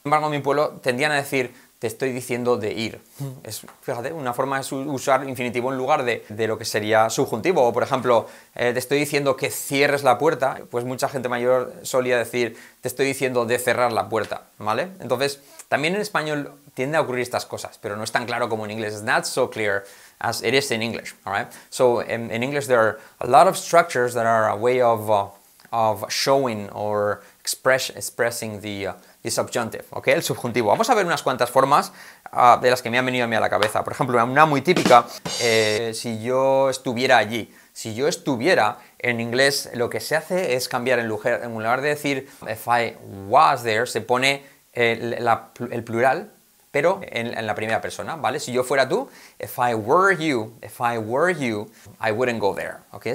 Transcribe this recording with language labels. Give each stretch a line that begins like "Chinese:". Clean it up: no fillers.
Spanish: Sin embargo, en mi pueblo tendían a decir te estoy diciendo de ir. Es, fíjate, una forma de usar infinitivo en lugar de lo que sería subjuntivo. O, por ejemplo, te estoy diciendo que cierres la puerta, pues mucha gente mayor solía decir te estoy diciendo de cerrar la puerta, ¿vale? Entonces, también en español tiende a ocurrir estas cosas, pero no es tan claro como en inglés.
English: It's not so clear as it is in English, alright? So, in English there are a lot of structures that are a way of showing or expressing the subjunctive, ¿ok?
Spanish: El subjuntivo. Vamos a ver unas cuantas formas de las que me han venido a mí a la cabeza. Por ejemplo, una muy típica, si yo estuviera allí. Si yo estuviera, en inglés lo que se hace es cambiar el lugar. En lugar de decir
English: if I was there,
Spanish: se pone el plural, pero en la primera persona, ¿vale? Si yo fuera tú,
English: if I were you, I wouldn't go there,
Spanish: ¿ok?